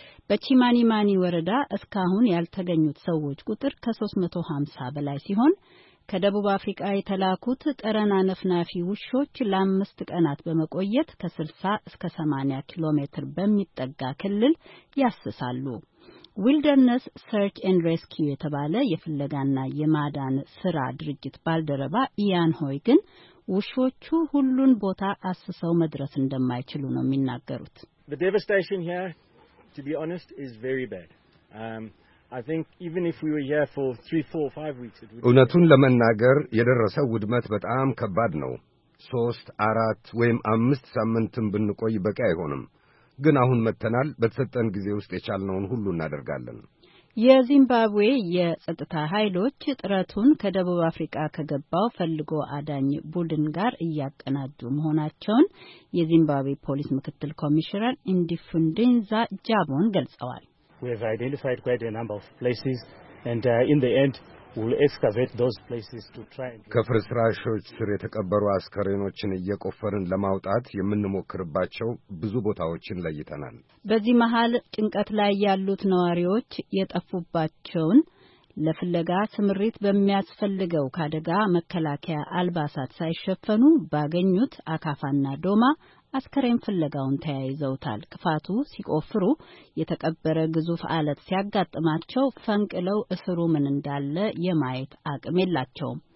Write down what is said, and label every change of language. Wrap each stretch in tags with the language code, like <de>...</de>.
<am>በቺማኒማኒ ወረዳ እስካሁን ያልተገኙት ሰዎች ቁጥር ከ350 በላይ ሲሆን ከደቡብ አፍሪካ የተላኩት ጠረና ነፍናፊ ውሾች ለአምስት ቀናት በመቆየት ከ60 እስከ 80 ኪሎ ሜትር በሚጠጋ ክልል ያስሳሉ። Wilderness Search and Rescue የተባለ የፍለጋና የማዳን ስራ ድርጅት ባልደረባ ኢያን ሆይግን ውሾቹ ሁሉን ቦታ አስሰው መድረስ እንደማይችሉ ነው የሚናገሩት።</am> <en>The devastation here, to be honest, is very bad. I think even if we were here for 3-5 weeks it would</en> <am>እነቱን ለመናገር የደረሰው ውድመት በጣም ከባድ ነው። 3 4 ወይም 5 ሳምንትም ብንቆይ በቃ አይሆንም። ግን አሁን መተናል በተሰጠን ጊዜ ውስጥ የቻልነውን ሁሉ እናደርጋለን። የዚምባብዌ የጸጥታ ኃይሎች ጥረቱን ከደቡብ አፍሪካ ከገባው ፈልጎ አዳኝ ቡድን ጋር እያቀናጁ መሆናቸውን የዚምባብዌ ፖሊስ ምክትል ኮሚሽነር ኢንዲፉንዲንዛ ጃቦን ገልጸዋል።</am> <en>We have identified quite a number of places and in the end we'll excavate those places to try and</en> <am>ከፍርስራሾች ስር የተቀበሩ አስከሬኖችን እየቆፈርን ለማውጣት የምንሞክርባቸው ብዙ ቦታዎችን ለይተናል። በዚህ መሃል ጥንቀት ላይ ያሉት ነዋሪዎች የጠፉባቸውን ለፍለጋ ስምሪት በሚያስፈልገው ካደጋ መከላከያ አልባሳት ሳይሸፈኑ ባገኙት አካፋና ዶማ አስከሬን ፍለጋውን ተያይዘውታል። ክፋቱ ሲቆፍሩ የተቀበረ ግዙፍ አለት ሲያጋጥማቸው ፈንቅለው እስሩ ምን እንዳለ የማየት አቅም የላቸው።</am>